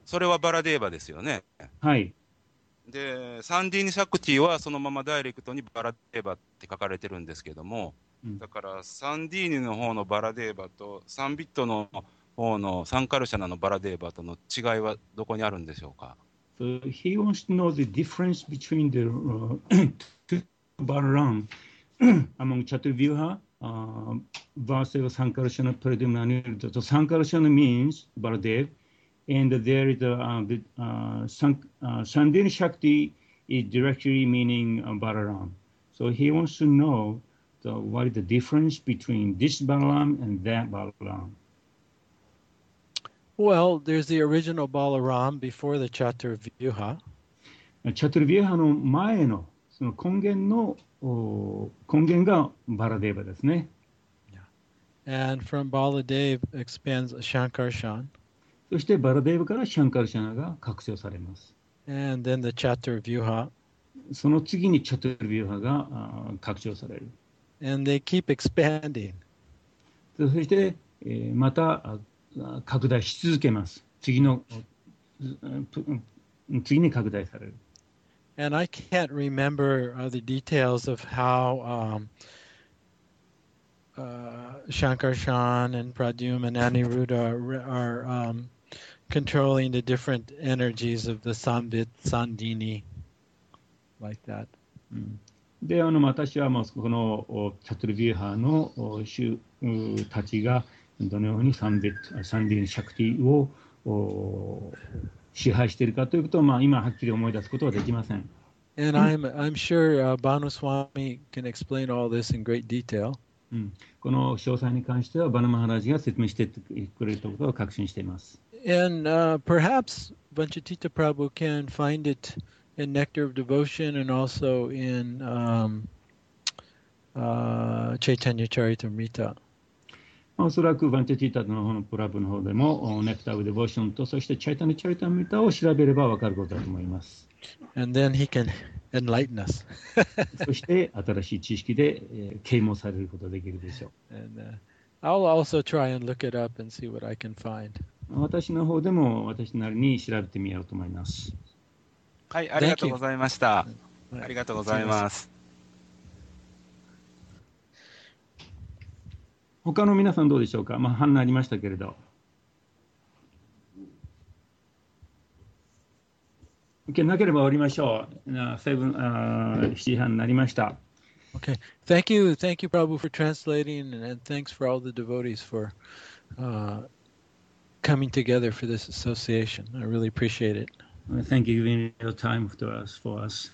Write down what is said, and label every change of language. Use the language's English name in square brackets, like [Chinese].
[Japanese] それはバラデーバですよね。はい、でサンディーニ・シャクティはそのままダイレクトにバラデーバって書かれてるんですけども、うん、だからサンディーニの方のバラデーバとサンビットの方のサンカルシャナのバラデーバとの違いはどこにあるんでしょうか。 [English] So he wants to know the difference between the two Balaram among Chaturvyuha versus Sankarshana Pradyumna Anirudha. So Sankarshana means Baladeva. And there is Sandini Shakti is directly meaning Balaram. So he wants to know what is the difference between this Balaram and that Balaram. Well, there's the original Balaram before the Chaturvyuha. [Japanese] Chaturvyuha の前のその根源が Baladeva ですね。 [English] Yeah. And from Baladeva expands Shankarshan. [Japanese] そしてバラデーヴからシャンカルシャナが覚醒されます。 [English] And then the Chaturvyuha. [Japanese] その次にチャトルビューハが覚醒される。 [English] And they keep expanding. [Japanese] そして、また拡大し続けます。次に拡大される。 [English] And I can't remember the details of how Shankarshan and Pradyum and Aniruddha are controlling the different energies of the Sambit, Sandini, like that. [Japanese] で、私はこのチャトルビューハーの衆たちがどのようにサンビッサンディのシャクティを支配しているかということを、今はっきり思い出すことはできません。 [English] And I'm sure Bhanu Swami can explain all this in great detail. [Japanese] この詳細に関してはバヌマハラジが説明してくれることを確信しています。 [English] And perhaps Vanchatita Prabhu can find it in Nectar of Devotion and also in Chaitanya Charitamrita. [Japanese] おそらくVanchatita の方のプラブの方でも Nectar of Devotion とそして Chaitanya Charitamrita を調べればわかることだと思います。 [English] And then he can enlighten us. [Japanese] そして新しい知識で啓蒙されることができるでしょう。 [English] And I'll also try and look it up and see what I can find. [Japanese] 私の方でも私なりに調べてみようと思います。はい、ありがとうございました。ありがとうございます。他の皆さんどうでしょうか。まあ反応ありましたけれど。 OK、なければ終わりましょう。 7時半になりました。 [English] OK、Thank you. Thank you, Prabhu, for translating and thanks for all the devotees for coming together for this association. I really appreciate it. Thank you for giving your time to us, for us.